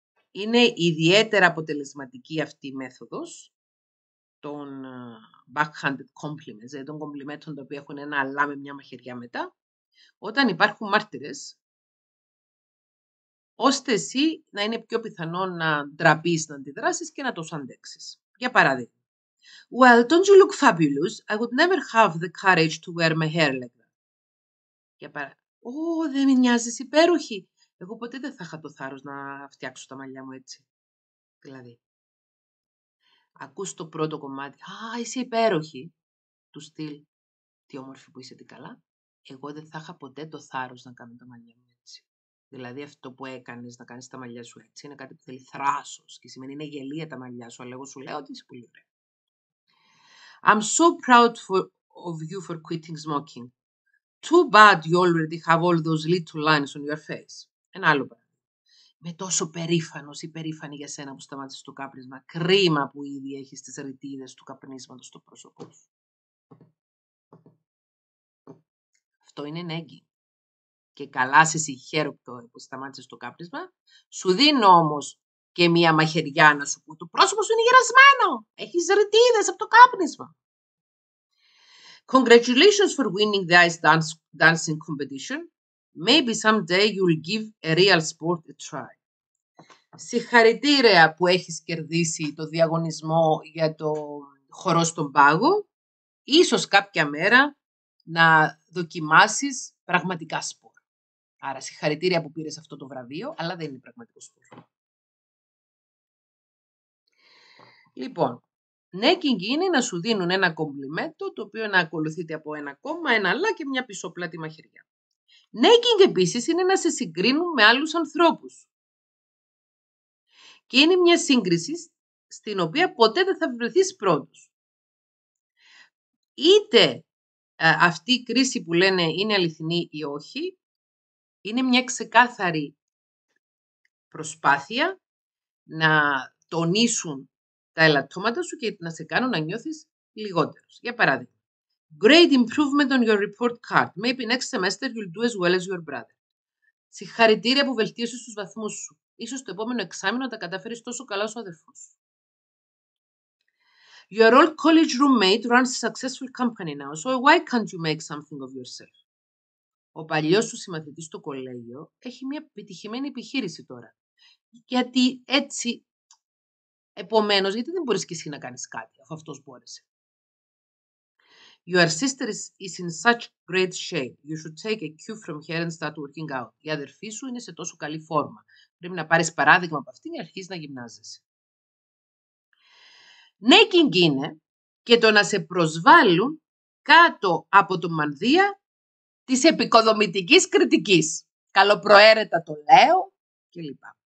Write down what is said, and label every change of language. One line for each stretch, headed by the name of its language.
Greek: Είναι ιδιαίτερα αποτελεσματική αυτή η μέθοδος των
English: backhanded compliments,
Greek: των κομπλιμέντων τα οποία έχουν ένα αλλά με μια μαχαιριά μετά, όταν υπάρχουν μάρτυρες, ώστε εσύ να είναι πιο πιθανό να ντραπείς, να αντιδράσεις και να το αντέξεις. Για παράδειγμα.
English: Well, don't you look fabulous? I would never have the courage to wear my hair like that.
Greek: Για παράδειγμα, oh, δεν μοιάζεις υπέροχη. Εγώ ποτέ δεν θα είχα το θάρρος να φτιάξω τα μαλλιά μου έτσι. Δηλαδή, ακούς το πρώτο κομμάτι. Α, είσαι υπέροχη. Του στυλ, τι όμορφη που είσαι, τι καλά. Εγώ δεν θα είχα ποτέ το θάρρος να κάνω τα μαλλιά μου έτσι. Δηλαδή αυτό που έκανες, να κάνεις τα μαλλιά σου έτσι, είναι κάτι που θέλει θράσος και σημαίνει είναι γελία τα μαλλιά σου, αλλά εγώ σου λέω ότι είσαι πολύ ωραία.
English: I'm so proud of you for quitting smoking. Too bad you already have all those little lines on your face.
Greek: Ένα άλλο παράδειγμα. Είμαι τόσο περήφανος ή περήφανη για σένα που σταμάτησες το κάπνισμα. Κρίμα που ήδη έχεις τις ρητίδες του καπνίσματος στο πρόσωπό σου. Αυτό είναι νέγκη. Και καλά σε συγχαίρω που σταμάτησες το κάπνισμα. Σου δίνω όμως και μία μαχαιριά να σου πω. Το πρόσωπο σου είναι γερασμένο. Έχεις ρητίδες από το κάπνισμα.
English: Congratulations for winning the ice dancing competition. Maybe someday you'll give a real sport a try.
Greek: Συγχαρητήρια που έχεις κερδίσει το διαγωνισμό για το χορό στον πάγο. Ίσως κάποια μέρα να δοκιμάσεις πραγματικά σπορ. Άρα συγχαρητήρια που πήρες αυτό το βραβείο, αλλά δεν είναι πραγματικό σπορ. Λοιπόν, nagging είναι να σου δίνουν ένα κομπλιμέντο, το οποίο να ακολουθείται από ένα κόμμα, ένα αλλά και μια πισόπλατη μαχαιριά. Nagging επίσης είναι να σε συγκρίνουν με άλλους ανθρώπους. Και είναι μια σύγκριση στην οποία ποτέ δεν θα βρεθείς πρώτος. είτε αυτή η κρίση που λένε είναι αληθινή ή όχι, είναι μια ξεκάθαρη προσπάθεια να τονίσουν τα ελαττώματα σου και να σε κάνουν να νιώθεις λιγότερος. Για παράδειγμα,
English: great improvement on your report card. Maybe next semester you'll do as well as your brother.
Greek: Συγχαρητήρια που βελτίωσες τους βαθμούς σου. Ίσως το επόμενο εξάμεινο τα καταφέρεις τόσο καλά ως ο αδερφός σου.
English: Your old college roommate runs a successful company now, so why can't you make something of yourself?
Greek: Ο παλιός σου συμμαθητής στο κολέγιο έχει μια επιτυχημένη επιχείρηση τώρα. Γιατί έτσι, επομένως, γιατί δεν μπορείς και εσύ να κάνεις κάτι, αφού αυτός μπόρεσε.
English: Your sister is in such great shape. You should take a cue from her and start working out.
Greek: Η αδερφή σου είναι σε τόσο καλή φόρμα. Πρέπει να πάρεις παράδειγμα από αυτήν και αρχίσεις να γυμνάζεσαι. Νέκινγκ είναι και το να σε προσβάλλουν κάτω από το μανδύα της επικοδομητικής κριτικής. Καλοπροαίρετα το λέω κλπ.